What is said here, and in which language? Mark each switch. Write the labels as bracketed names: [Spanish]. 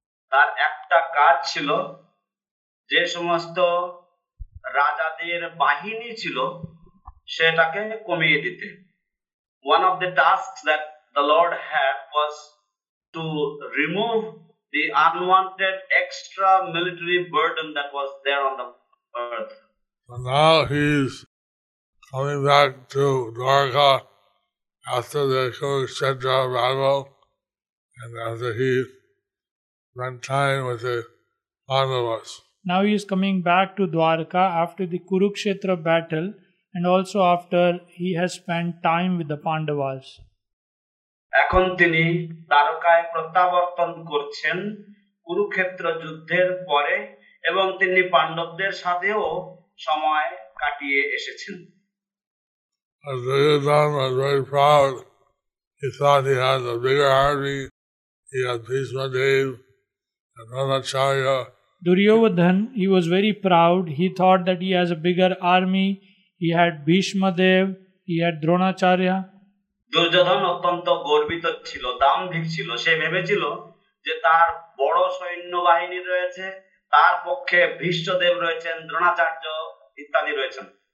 [Bangla] Tar ekta kaj chilo je somosto রাজাদের বাহিনী ছিল সেটাকে কমিয়ে দিতে. [English] One of the tasks that the Lord had was to remove the unwanted extra military burden that was there on the earth. So now he is coming back to Dwarka after the Kurukshetra battle and after he spent time with the Pandavas. Now he is coming back to Dwarka after the Kurukshetra battle and also after he has spent time with the Pandavas. [Bangla] এখন তিনি দ্বারকায় প্রত্যাবর্তন করছেন কুরুক্ষেত্র যুদ্ধের পরে এবং তিনি পাণ্ডবদের সাথেও সময় কাটিয়ে এসেছেন. [English] Duryodhana was very proud. He thought he had a bigger army. He had Bhishma Dev and Dronacharya. Duryodhan, he was very proud. He thought that he has a bigger army. He had Bhishma Dev, he had Dronacharya. [Bangla] Duryodhan অত্যন্ত গর্বিত ছিল, দাম্ভিক ছিল। সে ভেবেছিল যে তার বড় সৈন্য বাহিনী রয়েছে, তার পক্ষে ভীষ্মদেব রয়েছেন, দ্রোণাচার্য ইত্যাদি রয়েছেন।